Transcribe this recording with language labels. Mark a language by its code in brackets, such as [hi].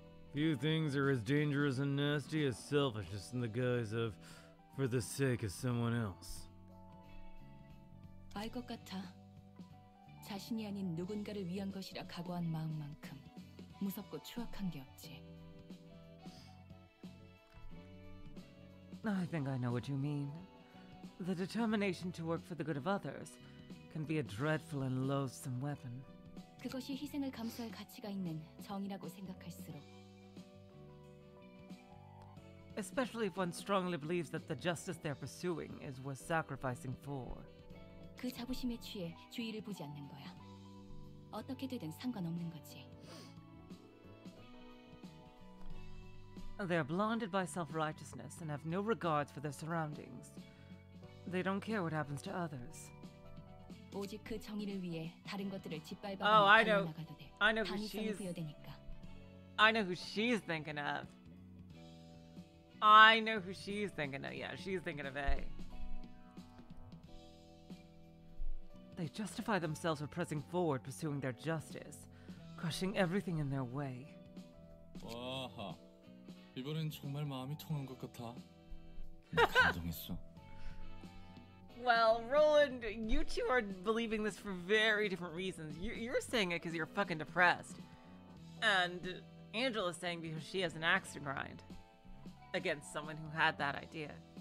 [en] Few things are as dangerous and nasty as selfishness in the guise of for the sake of someone else. [ko] 알 것 같아. 자신이 아닌 누군가를 위한 것이라 각오한 마음만큼 무섭고 추악한 게 없지. [en] I think I know what you mean. The determination to work for the good of others can be a dreadful and loathsome weapon. [ko] 그것이 희생을 감수할 가치가 있는 정이라고 생각할수록. [en] Especially if one strongly believes that the justice they're pursuing is worth sacrificing for. [ko] 그 자부심에 취해 주의를 보지 않는 거야. 어떻게 되든 상관없는 거지. [en] They are blinded by self-righteousness and have no regard for their surroundings. They don't care what happens to others. [ko] 오직 그 정의를 위해 다른 것들을 짓밟아 나가도 돼. [en] Oh, I know who she's thinking of. Yeah, she's thinking of A. They justify themselves for pressing forward, pursuing their justice, crushing everything in their way. [ko] 와, 이번엔 정말 마음이 통한 것 같아. 감동했어. [en] Well, Roland, you two are believing this for very different reasons. You're saying it because you're fucking depressed. And Angela's saying because she has an axe to grind against someone who had that idea.